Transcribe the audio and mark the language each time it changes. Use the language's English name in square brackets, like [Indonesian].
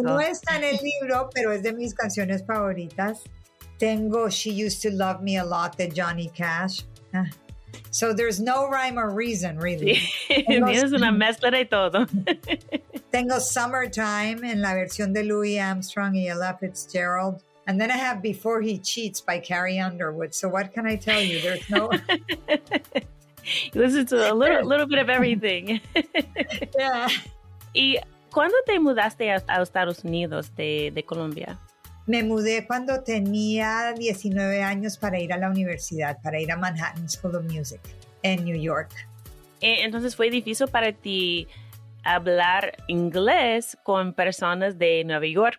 [Spanish] No está en el libro, pero es de mis canciones favoritas. Tengo She Used to Love Me a Lot de Johnny Cash. [English] So there's no rhyme or reason, really. [Spanish] Sí, tienes una mezcla de todo. Tengo Summertime en la versión de Louis Armstrong y Ella Fitzgerald. [English] And then I have Before He Cheats by Carrie Underwood. So what can I tell you? There's no... You listen to a little bit of everything. Yeah. [Spanish] ¿Y cuándo te mudaste a Estados Unidos de Colombia? Me mudé cuando tenía 19 años para ir a la universidad, para ir a Manhattan School of Music en New York. Entonces, ¿fue difícil para ti hablar inglés con personas de Nueva York?